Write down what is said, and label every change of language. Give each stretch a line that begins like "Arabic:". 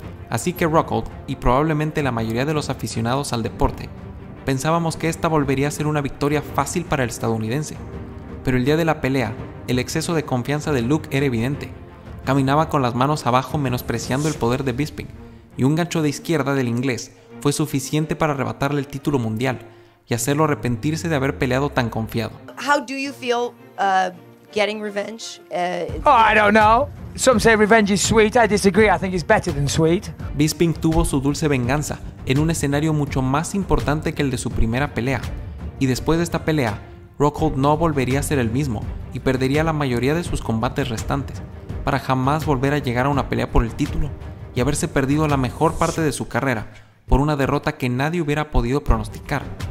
Spanish: Así que Rockhold y probablemente la mayoría de los aficionados al deporte pensábamos que esta volvería a ser una victoria fácil para el estadounidense. Pero el día de la pelea, el exceso de confianza de Luke era evidente. Caminaba con las manos abajo menospreciando el poder de Bisping, y un gancho de izquierda del inglés fue suficiente para arrebatarle el título mundial y hacerlo arrepentirse de haber peleado tan confiado.
English: How do you feel getting revenge? I don't know. Some say revenge is sweet. I disagree. I think it's better than sweet.
Spanish: Bisping tuvo su dulce venganza en un escenario mucho más importante que el de su primera pelea. Y después de esta pelea, Rockhold no volvería a ser el mismo y perdería la mayoría de sus combates restantes, para jamás volver a llegar a una pelea por el título y haberse perdido la mejor parte de su carrera por una derrota que nadie hubiera podido pronosticar.